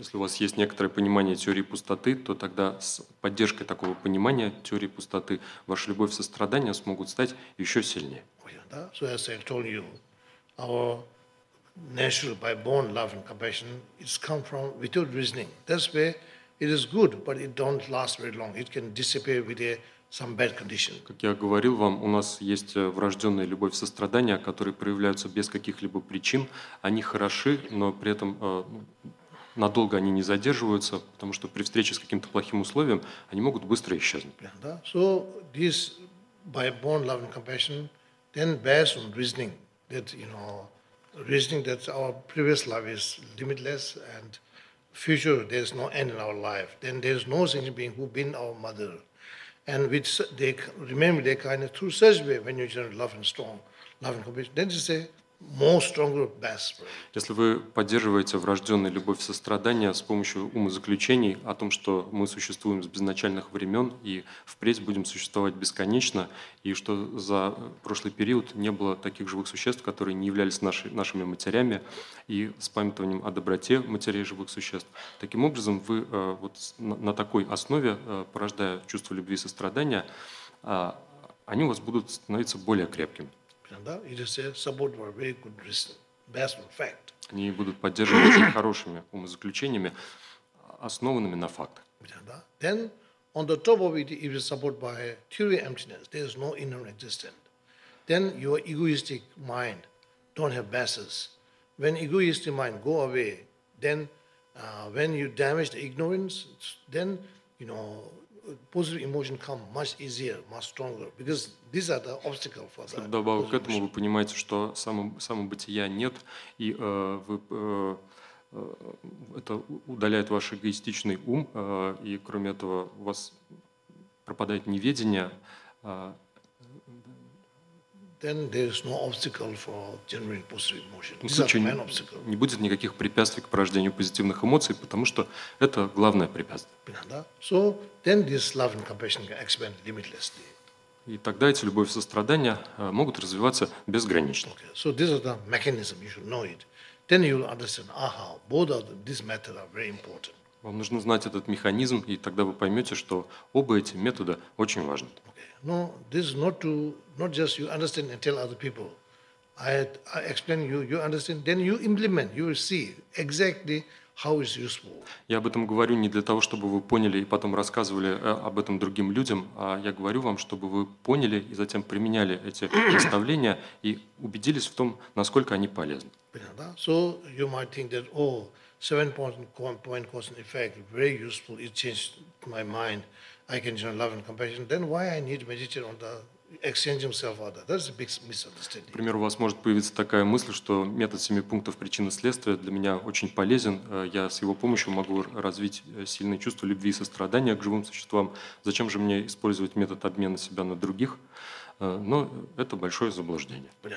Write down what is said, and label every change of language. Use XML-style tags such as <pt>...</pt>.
<ru>Если у вас есть некоторое понимание теории пустоты, то тогда с поддержкой такого понимания теории пустоты ваша любовь и сострадание смогут стать еще сильнее.</ru> <en>So as I told you, our natural by born love and compassion is come from without reasoning. That's why it is good, but it don't last very long. It can disappear with some bad condition.</en> <ru>Как я говорил вам, у нас есть врожденная любовь и сострадание, которые проявляются без каких-либо причин. Они хороши, но при этом надолго они не задерживаются, потому что при встрече с каким-то плохим условием они могут быстро исчезнуть.</ru> <en>Yeah,</en> <ru>да?</ru> <en>So this by born love and compassion, then based on reasoning, that, you know, reasoning that our previous love is limitless and future there is no end in our life. Then there is no sentient being who been our mother. And which they remember their kindness through such way when you generate love and strong, love and compassion. Then you say, more stronger, best.</en> <ru>Если вы поддерживаете врожденную любовь и сострадание с помощью умозаключений о том, что мы существуем с безначальных времен и впредь будем существовать бесконечно, и что за прошлый период не было таких живых существ, которые не являлись нашими матерями, и с памятованием о доброте матерей живых существ. Таким образом, вы вот на такой основе, порождая чувство любви и сострадания, они у вас будут становиться более крепкими.</ru> <en>It is a support for a very good reason, based on fact.</en> <ru>Они будут поддерживать очень хорошими умозаключениями, основанными на фактах.</ru> <en>Then, on the top of it, it is supported by theory emptiness. There is no inner existence. Then your egoistic mind don't have basis. When egoistic mind go away, then when you damage the ignorance, then you know positive emotion come much easier, much stronger, because these are the obstacle for that.</en> <ru>Вдобавок к этому вы понимаете, что самобытия нет, и это удаляет ваш эгоистичный ум, и кроме этого у вас пропадает неведение.</ru> <en>Then there is no obstacle for generating positive emotion. This is the main obstacle.</en> <ru>Не будет никаких препятствий к порождению позитивных эмоций, потому что это главное препятствие.</ru> <en>So then this love and compassion can expand limitlessly.</en> <ru>И тогда эти любовь и сострадание могут развиваться безгранично.</ru> <en>Okay. So this is the mechanism. You should know it. Then you will understand. Aha, both of these methods are very important.</en> <ru>Вам нужно знать этот механизм, и тогда вы поймете, что оба эти метода очень важны.</ru> <en>No, this is not to not just you understand and tell other people. I explain you, you understand, then you implement, you will see exactly how it's useful.</en> <ru>Я об этом говорю не для того, чтобы вы поняли и потом рассказывали об этом другим людям, а я говорю вам, чтобы вы поняли и затем применяли эти наставления и убедились в том, насколько они полезны.</ru> <en>So you might think that, oh, seven-point cause and effect, very useful, it changed my mind. I can generate love and compassion. Then why I need to meditate on the exchange himself or that? That's a big misunderstanding.</en> <ru>Например, у вас может появиться такая мысль, что метод семи пунктов причины-следствия для меня очень полезен. Я с его помощью могу развить сильное чувство любви и сострадания к живым существам. Зачем же мне использовать метод обмена себя на других? Но это большое заблуждение.</ru>